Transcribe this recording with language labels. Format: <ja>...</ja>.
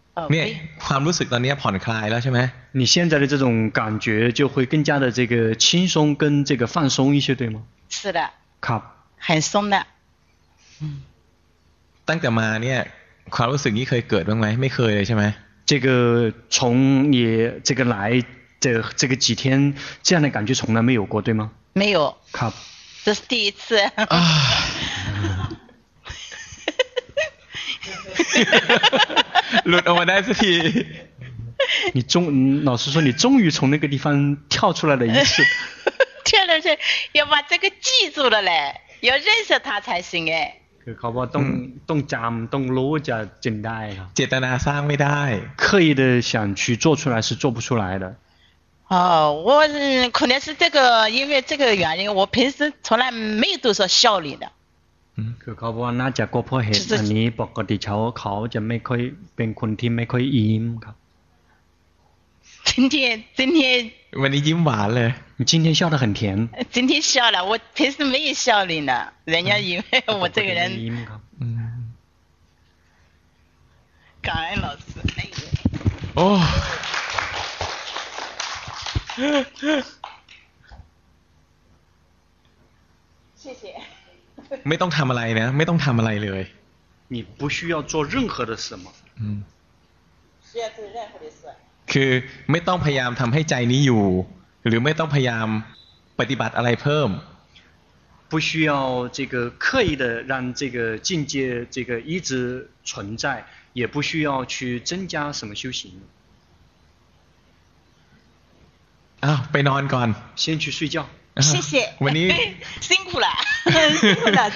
<th>เนี่ยความรู้สึกตอนนี้ผ่อนคลายแล้วใช่ไหม</th> <zh>你现在的这种感觉就会更加的这个轻松跟这个放松一些对吗是的</zh> <th>ครับ</th> <zh>很松的</zh> <th>ตั้งแต่มาเนี่ยความรู้สึกนี้เคยเกิดบ้างไหมไม่เคยเลยใช่ไหม</th> <zh>这个从你这个来的这个几天这样的感觉从来没有过对吗没有</zh> <th>ครับ</th> <zh>这是第一次</zh> <th>หลุดออกมาได้สักที</th> <zh>你终老师说你终于从那个地方跳出来了一次跳了是要把这个记住了嘞要认识它才行哎</zh> <th>คือเขาบอกต้องจำต้องรู้จะจึงได้ครับ เจตนาสร้างไม่ได้</th> <zh>刻意的想去做出来是做不出来的哦我可能是这个因为这个原因我平时从来没有多少效率的</zh> <th>คือเขาบอกว่าน่าจะก็เพราะเหตุอันนี้ปกติเขาจะไม่ค่อยเป็นคนที่ไม่ค่อยยิ้มครับ</th> <zh>今天</zh> <th>วันนี้ยิ้มหวานเลย</th> <zh>今天笑得很甜今天笑了我平时没有笑脸呢人家以为我这个人不可以音感恩老师哦谢谢</zh> <th>ไม่ต้องทำอะไรนะไม่ต้องทำอะไรเลย</th> <zh>你不需要做任何的事吗需要做任何的事</zh> <th>คือไม่ต้องพยายามทำให้ใจนี้อยู่หรือไม่ต้องพยายามปฏิบัติอะไรเพิ่ม</th> <zh>不需要这个刻意的让这个境界这个一直存在也不需要去增加什么修行</zh> <th>啊ไปนอนก่อน</th> <zh>先去睡觉谢谢</zh> <th>วันนี้</th> <zh>辛苦了辛苦了</zh>